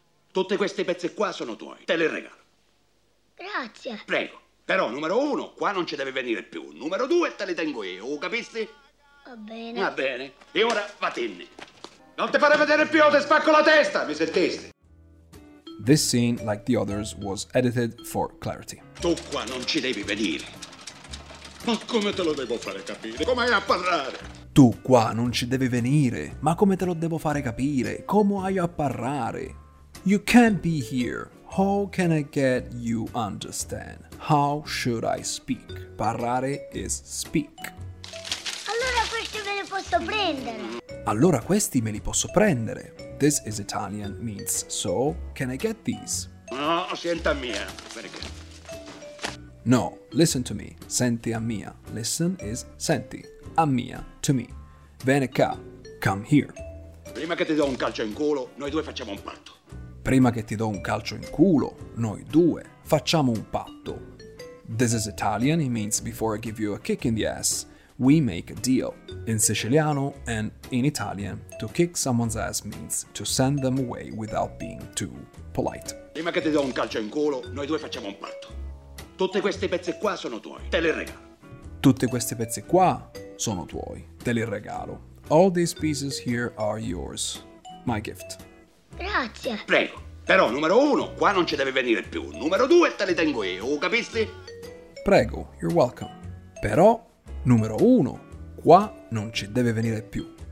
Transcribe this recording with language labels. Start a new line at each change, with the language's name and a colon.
Italian: Tutte queste pezze qua sono tuoi. Te le regalo. Grazie. Prego. Però, numero uno, qua non ci deve venire più. Numero due, te li tengo io. Capisti? Va bene. E ora, vattene. Non ti fare vedere più o ti spacco la testa, mi sentiste?
English: This scene, like the others, was edited for clarity.
Italian: Tu qua non ci devi venire. Ma come te lo devo fare capire? Come hai a parlare? Tu qua non ci devi venire. Ma come te lo devo fare capire? Come hai a parlare?
English: You can't be here. How can I get you understand? How should I speak? Parlare is speak.
Italian: Allora questi me li posso prendere. Allora questi me li posso prendere.
English: This is Italian, means so, can I get these?
Italian: No, senta mia. Perché?
English: No, listen to me.
Italian: Senti a mia.
English: Listen is senti.
Italian: A mia,
English: to me.
Italian: Vene qua.
English: Come here.
Italian: Prima che ti do un calcio in culo, noi due facciamo un patto. Prima che ti do un calcio in culo, noi due facciamo un patto.
English: This is Italian, it means before I give you a kick in the ass, we make a deal. In Siciliano and in Italian, to kick someone's ass means to send them away without being too polite.
Italian: Prima che ti do un calcio in culo, noi due facciamo un patto. Tutte queste pezze qua sono tuoi, te le regalo. Tutte queste pezze qua sono tuoi, te le regalo.
English: All these pieces here are yours, my gift.
Italian: Grazie. Prego. Però, numero uno, qua non ci deve venire più. Numero due, te li tengo io, capisti?
English: Prego, you're welcome.
Italian: Però, numero uno, qua non ci deve venire più.